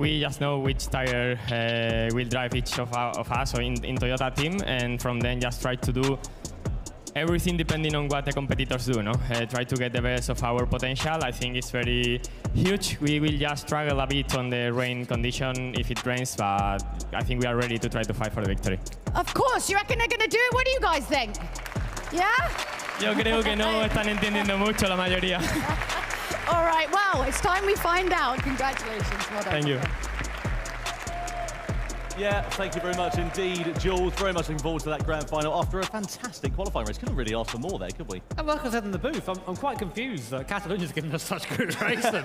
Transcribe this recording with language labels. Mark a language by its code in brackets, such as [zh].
[en] We just know which tire will drive each of us or in Toyota team, and from then just try to do everything depending on what the competitors do, no? Try to get the best of our potential. I think it's very huge. We will just struggle a bit on the rain condition if it rains, but I think we are ready to try to fight for the victory. Of course, you reckon they're gonna do it? What do you guys think? Yeah? [es] Yo creo que no están entendiendo mucho la mayoría. [en] All right, well, it's time we find out. Congratulations. Well done. Thank you. Yeah, thank you very much indeed, Jules. Very much looking forward to that grand final after a fantastic qualifying race. Couldn't really ask for more there, could we? And like I said in the booth, I'm quite confused that Catalunya's given us such good racing.